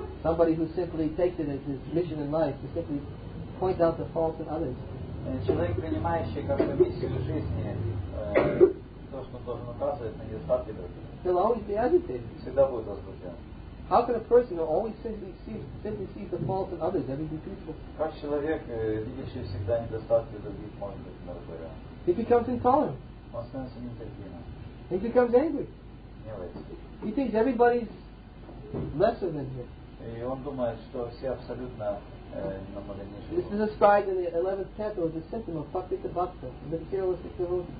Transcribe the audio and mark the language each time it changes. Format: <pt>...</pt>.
<en>Somebody who simply takes it as his mission in life to simply point out the faults in others.</en> <ru>Человек, принимающий как миссию жизни то, что он должен указывать на недостатки других.</ru> <en>He'll always be agitated.</en> <ru>Всегда будет возбужден.</ru> <en>How can a person who always simply sees the faults of others ever be peaceful?</en> <ru>Как человек, видящий всегда недостатки других, может быть умиротворен?</ru> <en>He becomes intolerant.</en> <ru>Он становится нетерпимым.</ru> <en>He becomes angry.</en> <ru>Гневается.</ru> <en>He thinks everybody's lesser than him.</en> <ru>И он думает, что все абсолютно намного ниже.</ru> <en>This is described in the 11th canto as a symptom of prakriti bhakti, the materialistic devotee.</en>